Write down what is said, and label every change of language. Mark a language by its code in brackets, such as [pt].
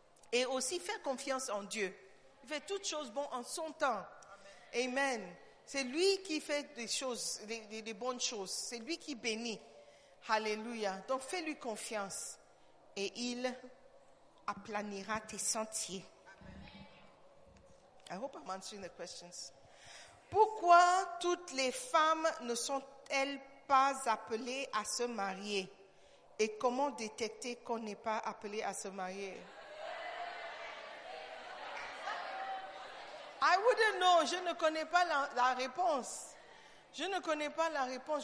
[fr] Et aussi, faire confiance en Dieu. Il fait toutes choses bonnes en son temps. Amen. C'est lui qui fait des choses, des bonnes choses. C'est lui qui bénit. Alléluia. Donc fais-lui confiance et il aplanira tes sentiers. [en] Amen. I hope I'm answering the questions. [fr] Pourquoi toutes les femmes ne sont-elles pas appelées à se marier? Et comment détecter qu'on n'est pas appelé à se marier? [en] I wouldn't know. [fr] Je ne connais pas la réponse. Je ne connais pas la réponse.